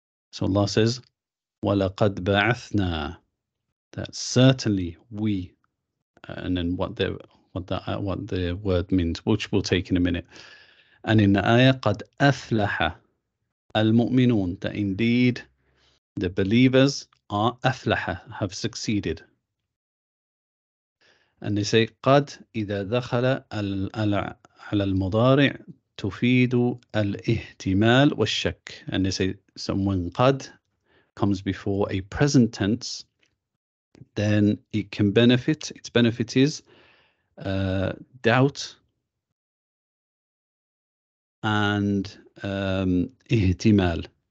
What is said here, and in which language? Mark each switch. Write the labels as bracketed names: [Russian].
[English] So Allah says, [Arabic] وَلَقَدْ بَعَثْنَا, [English] that certainly we, and then what the word means, which we'll take in a minute. And in the ayah, [Arabic] قَدْ أَفْلَحَ الْمُؤْمِنُونَ, [English] that indeed the believers are أَفْلَحَ, have succeeded. And they say, [Arabic] قَدْ إِذَا دَخَلَ عَلَى الْمُضَارِعِ tufidu al-ihtimal wa-shak. [English] And they say someone qad comes before a present tense, then it can benefit. Its benefit is doubt and ihtimal.